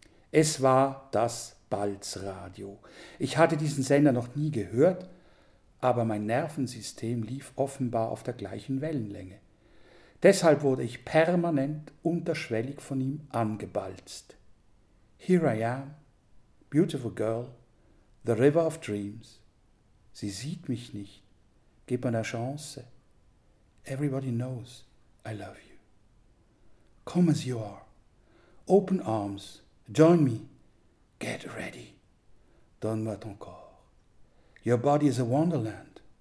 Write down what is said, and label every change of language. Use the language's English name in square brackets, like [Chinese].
[German] Es war das Balzradio. Ich hatte diesen Sender noch nie gehört, aber mein Nervensystem lief offenbar auf der gleichen Wellenlänge. Deshalb wurde ich permanent unterschwellig von ihm angebalzt. [English] Here I am, beautiful girl, the river of dreams. [German] Sie sieht mich nicht, gib mir eine Chance. [English] Everybody knows I love you. Come as you are, open arms, join me. Get ready. [French] Donne-moi ton corps. [English] Your body is a wonderland.